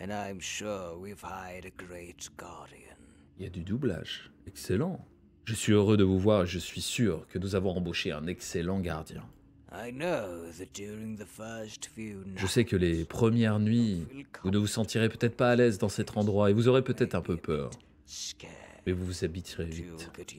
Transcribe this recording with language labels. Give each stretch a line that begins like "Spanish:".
English: And I'm sure we've hired a great guardian.
French: Il y a du doublage. Excellent. Je suis heureux de vous voir et je suis sûr que nous avons embauché un excellent gardien.
English: I know that during the first few nights,
French: je sais que les premières nuits, vous ne vous sentirez peut-être pas à l'aise dans cet endroit et vous aurez peut-être un peu peur. Mais vous vous habituerez vite.